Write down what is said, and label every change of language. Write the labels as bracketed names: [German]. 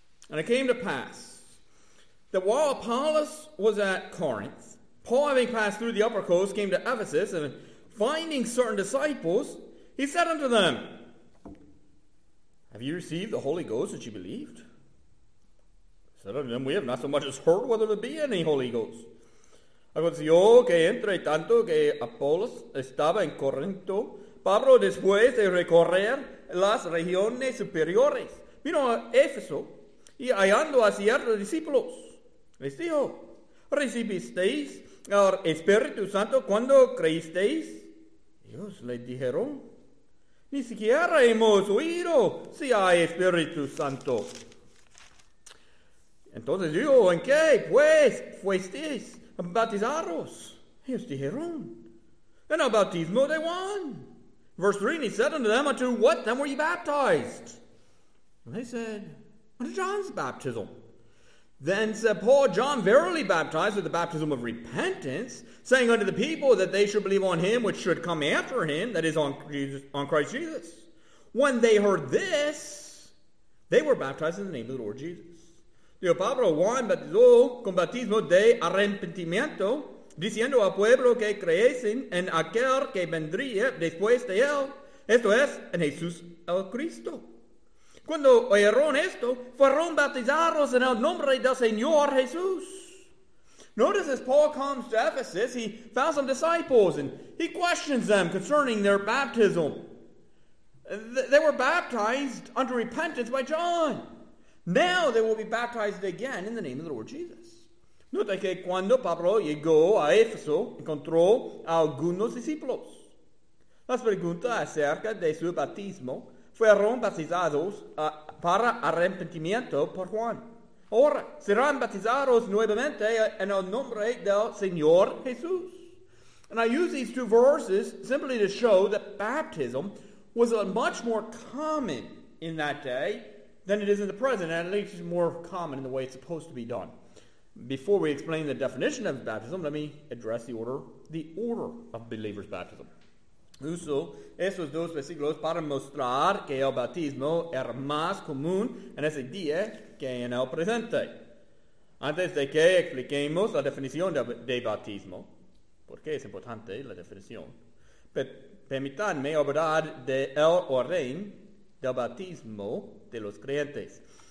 [English] And it came to pass that while Apollos was at Corinth, Paul, having passed through the upper coast, came to Ephesus, and finding certain disciples, he said unto them, "Have you received the Holy Ghost that you believed?" He said unto them, "We have not so much as heard whether there be any Holy Ghost." [Spanish] Aconteció que entre tanto que Apolos estaba en Corinto, Pablo después de recorrer las regiones superiores, vino a Éfeso y hallando a ciertos discípulos, les dijo, ¿recibisteis el Espíritu Santo cuando creísteis? Ellos le dijeron, ni siquiera hemos oído si hay Espíritu Santo. Entonces dijo, ¿en qué pues fuisteis bautizaros? Ellos dijeron, en el bautismo de Juan. [English] Verse 3, and he said unto them, unto what then were ye baptized? And they said, unto John's baptism. Then said Paul, John verily baptized with the baptism of repentance, saying unto the people that they should believe on him which should come after him, that is on Christ Jesus. When they heard this, they were baptized in the name of the Lord Jesus. [Spanish] Dio Pablo Juan bautizó con bautismo de arrepentimiento, diciendo al pueblo que creyesen en aquel que vendría después de él, esto es, en Jesús el Cristo. Cuando oyeron esto, fueron bautizados en el nombre del Señor Jesús. [English] Notice as Paul comes to Ephesus, he found some disciples and he questions them concerning their baptism. They were baptized under repentance by John. Now they will be baptized again in the name of the Lord Jesus. [Spanish] Note que cuando Pablo llegó a Éfeso, encontró a algunos discípulos. Las preguntas acerca de su bautismo fueron bautizados para arrepentimiento por Juan. Ahora, serán bautizados nuevamente en el nombre del Señor Jesús. [English] And I use these two verses simply to show that baptism was much more common in that day than it is in the present, and at least it's more common in the way it's supposed to be done. Before we explain the definition of baptism, let me address the order of believers' baptism. [Spanish] Uso estos dos versículos para mostrar que el bautismo era más común en ese día que en el presente. Antes de que expliquemos la definición de bautismo, porque es importante la definición, permítanme hablar de el orden del bautismo de los creyentes.